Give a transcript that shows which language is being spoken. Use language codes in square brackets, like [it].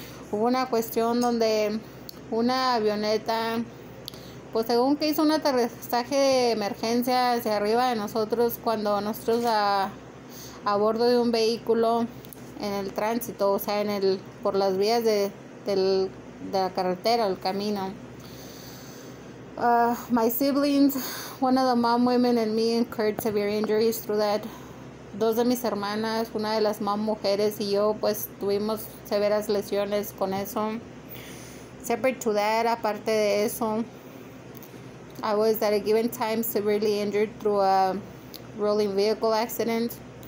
[es] Hubo una cuestión donde una avioneta, pues según que hizo un aterrizaje de emergencia hacia arriba de nosotros cuando nosotros a bordo de un vehículo en el tránsito, o sea, en el por las vías de la carretera, el camino. [en] My siblings, one of the mom women and me, incurred severe injuries through that. [es] Dos de mis hermanas, una de las mom mujeres y yo, pues tuvimos severas lesiones con eso. [en] Separate to that, [es] aparte de eso, [en] I was at a given time severely injured through a rolling vehicle accident.